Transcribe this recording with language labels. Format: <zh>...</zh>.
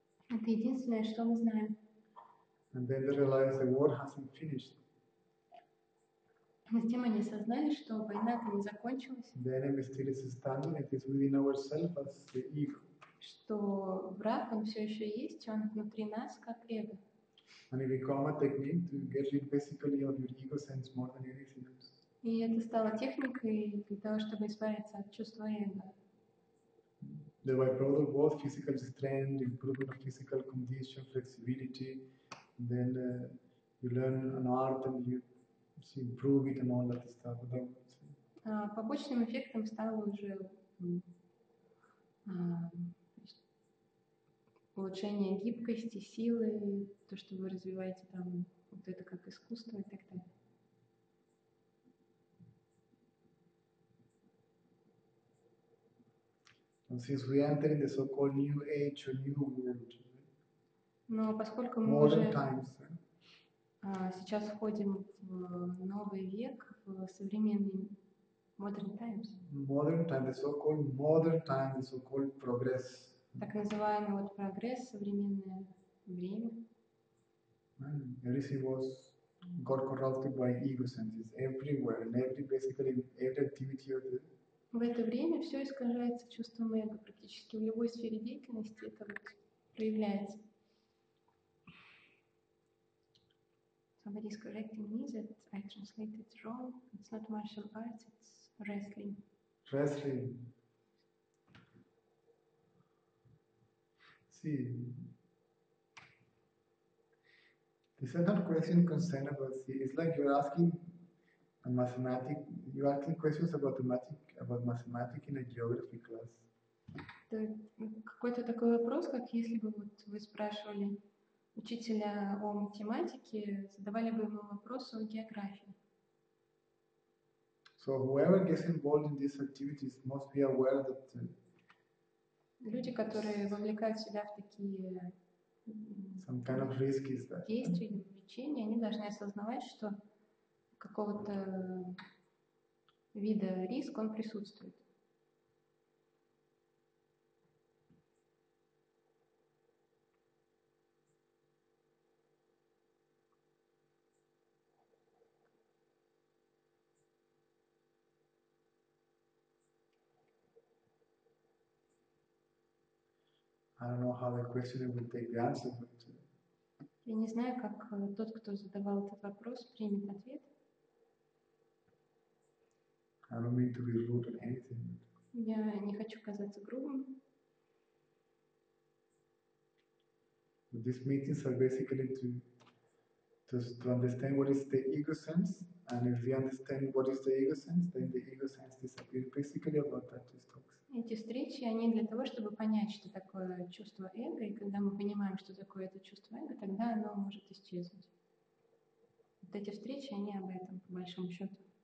<ru>Это единственное, что мы знаем.</ru> <en>And then they realize the war hasn't finished.</en> <ru>Затем они осознали, что война там не закончилась.</ru> <en>The enemy still is standing. It is within ourselves as the ego.</en> <ru>Что враг, он все еще есть, он внутри нас, как эго.</ru> <en>And it became a technique to get rid basically of your ego sense more than anything else.</en> <ru>И это стало техникой для того, чтобы избавиться от чувства эго.</ru> <en>The byproduct was physical strength, improvement of physical condition, flexibility. Then you learn an art and you improve it and all that stuff.</en> <ru>Побочным эффектом стало уже улучшение гибкости, силы, то, что вы развиваете там, вот это как искусство и так далее.</ru> <en>And since we enter in the so-called new age or new world, modern times,</en> <ru>сейчас входим в новый век, в современный modern times.</ru> <en>Modern times, the so-called modern times, the so-called progress.</en> <ru>Так называемый вот прогресс, современное время.</ru> <en>Everything was got corrupted by ego senses everywhere and every basically every activity of the.</en> <ru>В это время все искажается чувством эго практически в любой сфере деятельности это вот проявляется.</ru> <en>Somebody is correcting me that I translated wrong. It's not martial arts, it's wrestling. Wrestling. See, the second question concerned about see, it's like you're asking a mathematic. You're asking questions about mathematics in a geography class.</en> <ru>Это какой-то такой вопрос, как если бы вот вы спрашивали учителя о математике, задавали бы ему вопросы о географии.</ru> <en>So whoever gets involved in these activities must be aware that.</en> <ru>Люди, которые вовлекают себя в такие</ru> <en>some kind of risky stuff.</en> <ru>Действия или увлечения, они должны осознавать, что какого-то вида риск, он присутствует.</ru> <en>I don't know how the questioner will take the answer, but</en> <ru>я не знаю, как тот, кто задавал этот вопрос, примет ответ.</ru> <en>I don't mean to be rude or anything.</en> <ru>Я не хочу казаться грубым.</ru> <en>But these meetings are basically to understand what is the ego sense, and if we understand what is the ego sense, then the ego sense disappears. Basically about that these talks.</en> <ru>Эти встречи, они для того, чтобы понять, что такое чувство эго, и когда мы понимаем, что такое это чувство эго, тогда оно может исчезнуть. Вот эти встречи, они об этом, по большому счету.</ru>